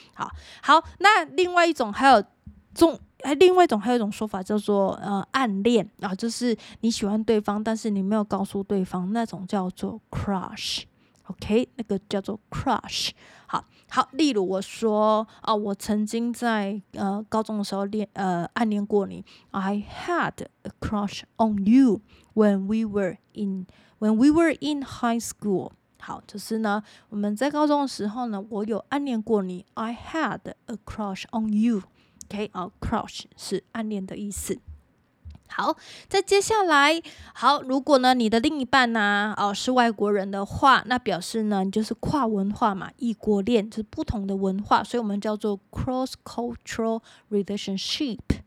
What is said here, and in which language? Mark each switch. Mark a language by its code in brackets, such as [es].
[zh] 好好，那另外一种还有重，另外一种还有一种说法叫做暗恋啊，就是你喜欢对方但是你没有告诉对方，那种叫做 crush。 OK， 那个叫做 crush。好，例如我说我曾经在高中的时候暗恋过你。 [en] I had a crush on you when we were in high school。 [zh] 好，就是呢我们在高中的时候呢我有暗恋过你。 [en] I had a crush on you。 OK， crush [zh] 是暗恋的意思。好，再接下来，好，如果呢你的另一半呢是外国人的话，那表示呢你就是跨文化嘛，异国恋，就是不同的文化，所以我们叫做 [en] cross cultural relationship。